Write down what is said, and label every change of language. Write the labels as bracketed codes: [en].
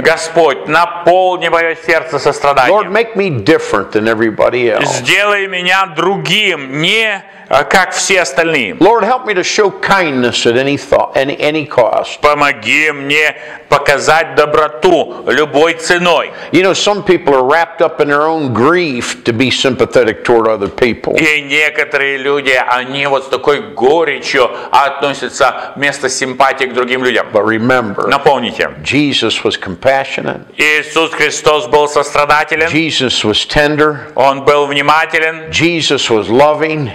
[ru] Господь, наполни мое сердце состраданием. [en] Lord, make me different than everybody else. [ru] Сделай меня другим, не как все остальные. [en] Lord, help me to show kindness at any thought, any cost. [ru] Помоги мне показать доброту любой ценой. [en] You know, some people are wrapped up in their own grief to be sympathetic toward other people. [ru] И некоторые люди, они вот с такой горечью относятся вместо симпатии к другим людям. [en] But remember, [ru] напомните, [en] Jesus was compassionate. [ru] Иисус Христос был сострадателен. [en] Jesus was tender. [ru] Он был внимателен. [en] Jesus was loving.